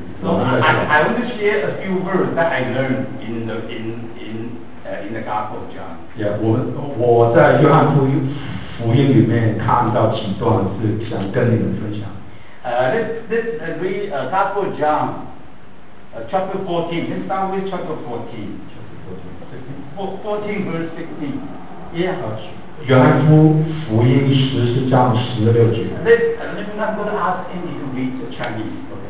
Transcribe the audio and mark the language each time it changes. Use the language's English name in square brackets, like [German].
[English] So I want to share a few words that I learned in the in the Gospel of John. [Chinese] Yeah, 我在约翰福音里面看到几段是想跟你们分享。 [English] Let's read Gospel of John, chapter 14. Let's start with chapter 14. Chapter 14, verse 16. Yeah. [Chinese] 约翰福音14章16节。 [English] Let me not go to ask Andy to read the Chinese.